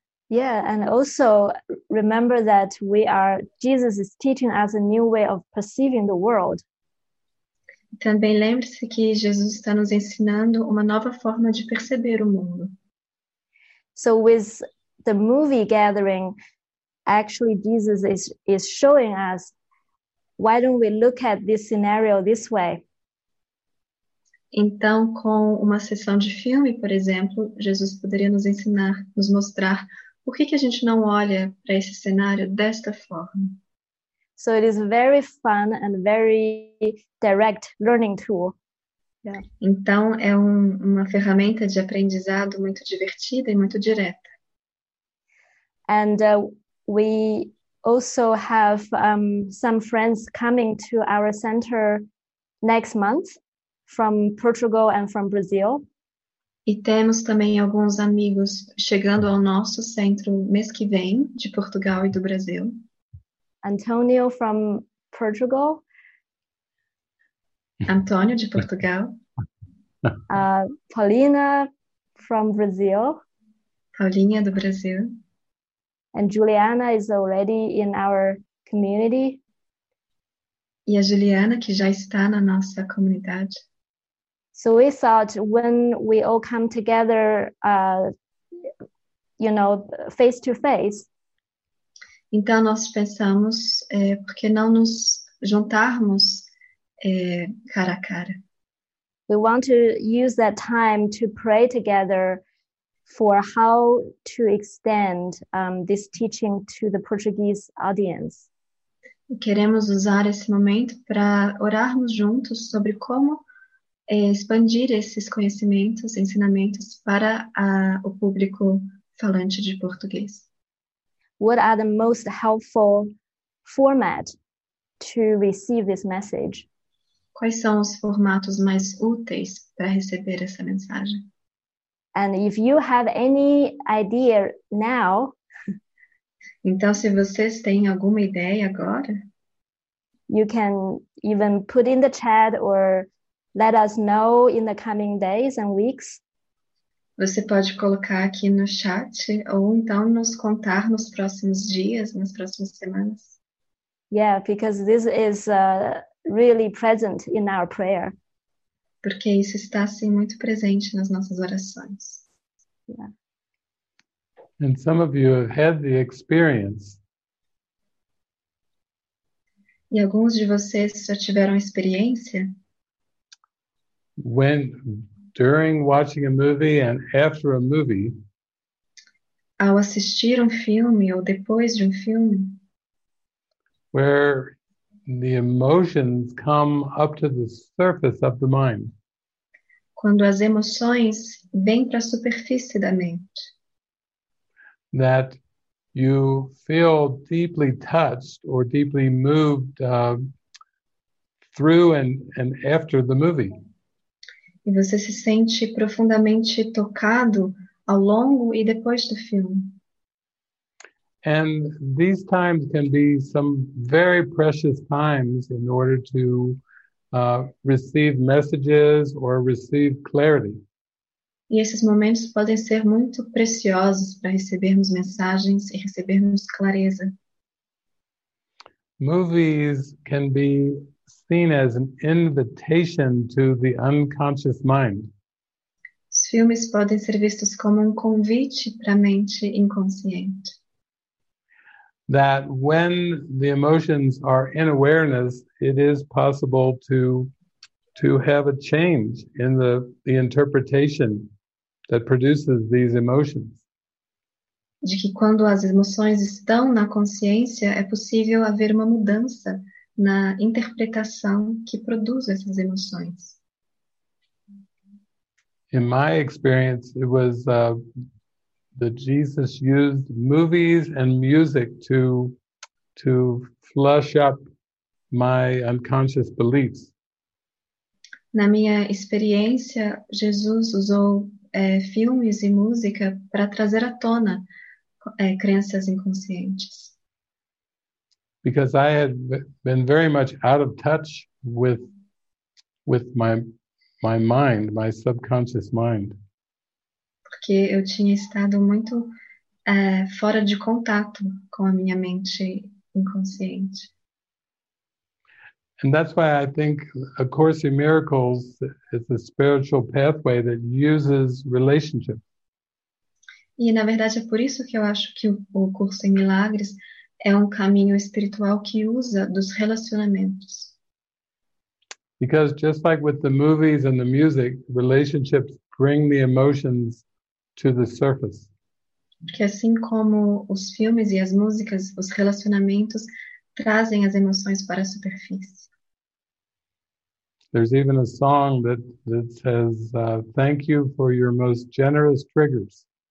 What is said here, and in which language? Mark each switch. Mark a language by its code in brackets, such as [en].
[en] Yeah, and also remember that we are, Jesus is teaching us a new way of perceiving the world. [pt] Também lembre-se que Jesus está nos ensinando uma nova forma de perceber o mundo. [en] So with the movie gathering, actually Jesus is showing us, why don't we look at this scenario this way? [pt] Então, com uma sessão de filme, por exemplo, Jesus poderia nos ensinar, nos mostrar por que a gente não olha para esse cenário desta forma. [en] So it is very fun and very direct learning tool. Yeah. [pt] Então é uma ferramenta de aprendizado muito divertida e muito direta. [en] And we also have some friends coming to our center next month from Portugal and from Brazil. [pt] E temos também alguns amigos chegando ao nosso centro mês que vem de Portugal e do Brasil. [en] Antonio from Portugal. [pt] Antonio de Portugal. [en] Paulina from Brazil. [pt] Paulinha do Brasil. [en] And Juliana is already in our community. [pt] E a Juliana que já está na nossa comunidade. [en] So we thought when we all come together, you know, face to face. [pt] Então, nós pensamos, por que não nos juntarmos cara a cara? [en] We want to use that time to pray together for how to extend this teaching to the Portuguese audience. [pt] Queremos usar esse momento para orarmos juntos sobre como expandir esses conhecimentos, ensinamentos para o público falante de português. [en] What are the most helpful format to receive this message? [pt] Quais são os formatos mais úteis para receber essa mensagem? [en] And if you have any idea now, [pt] então se vocês têm alguma ideia agora, [en] you can even put in the chat or let us know in the coming days and weeks. [pt] Você pode colocar aqui no chat ou então nos contar nos próximos dias, nas próximas semanas. [en] Yeah, because this is really present in our prayer. [pt] porque isso está assim muito presente nas nossas orações. [en] Yeah. And some of you have had the experience. [pt] E alguns de vocês já tiveram experiência? [en] When during watching a movie and after a movie, [pt] ao assistir um filme ou depois de um filme, [en] where the emotions come up to the surface of the mind. [pt] Quando as emoções vêm para a superfície da mente. [en] That you feel deeply touched or deeply moved through and after the movie. [pt] E você se sente profundamente tocado ao longo e depois do filme. [en] And these times can be some very precious times in order to receive messages or receive clarity. [pt] E esses momentos podem ser muito preciosos para recebermos mensagens e recebermos clareza. [en] Movies can be seen as an invitation to the unconscious mind. [pt] Os filmes podem ser vistos como um convite para a mente inconsciente. [en] That when the emotions are in awareness, it is possible to have a change in the interpretation that produces these emotions. [pt] De que quando as emoções estão na consciência, é possível haver uma mudança na interpretação que produz essas emoções. [en] In my experience, it was that Jesus used movies and music to flush up my unconscious beliefs. [pt] Na minha experiência, Jesus usou filmes e música para trazer à tona crenças inconscientes. [en] Because I had been very much out of touch with my mind, my subconscious mind. [pt] Porque eu tinha estado muito fora de contato com a minha mente inconsciente. [en] And that's why I think A Course in Miracles is a spiritual pathway that uses relationship. [pt] E na verdade é por isso que eu acho que o Curso em Milagres é um caminho espiritual que usa dos relacionamentos. [en] Because just like with the movies and the music, relationships bring the emotions to the surface. [pt] Porque assim como os filmes e as músicas, os relacionamentos trazem as emoções para a superfície. [en] There's even a song that says, thank you for your most generous triggers.